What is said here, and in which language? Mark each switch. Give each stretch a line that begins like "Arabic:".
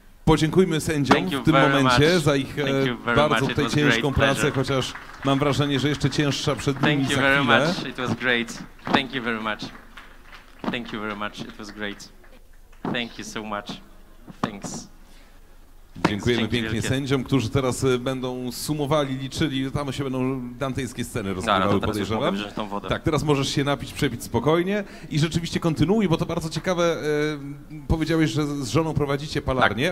Polish: Podziękujmy sędziom w tym momencie za ich bardzo tutaj ciężką pracę, chociaż mam wrażenie, że jeszcze cięższa przed nimi za chwilę.
English: Thank you very much, it was great. Thank you very much. Thank you very much, it was great. Thank you so much. Thanks.
Polish: Dziękujemy pięknie sędziom, którzy teraz będą sumowali, liczyli, tam się będą dantejskie sceny rozgrywały, podejrzewam. Tak, teraz możesz się napić, przepić spokojnie i rzeczywiście kontynuuj, bo to bardzo ciekawe, powiedziałeś, że z żoną prowadzicie palarnię.